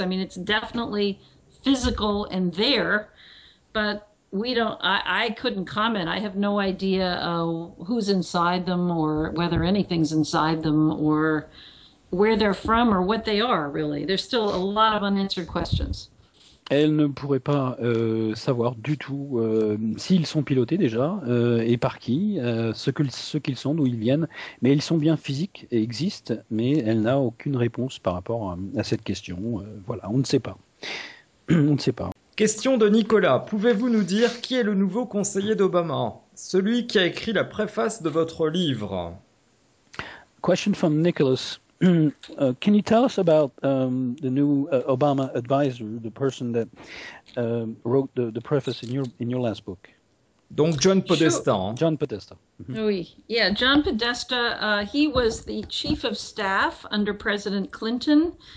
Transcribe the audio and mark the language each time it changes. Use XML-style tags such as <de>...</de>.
<en>I mean, it's definitely physical and there, but we don't, I couldn't comment. I have no idea who's inside them or whether anything's inside them or where they're from or what they are, really. There's still a lot of unanswered questions.</en> <fr>Elle ne pourrait pas savoir du tout s'ils sont pilotés déjà et par qui, ce qu'ils sont, d'où ils viennent. Mais ils sont bien physiques et existent, mais elle n'a aucune réponse par rapport à cette question. Voilà, on ne sait pas. On ne sait pas. Question de Nicolas. Pouvez-vous nous dire qui est le nouveau conseiller d'Obama, celui qui a écrit la préface de votre livre?</fr> <en>Question from Nicolas. Can you tell us about the new Obama advisor, the person that wrote the preface in your last book?</en> <fr>Donc John Podesta.</fr> <en>Sure. John Podesta. Mm-hmm. Oui. Yeah, John Podesta, he was the chief of staff under President Clinton.</en>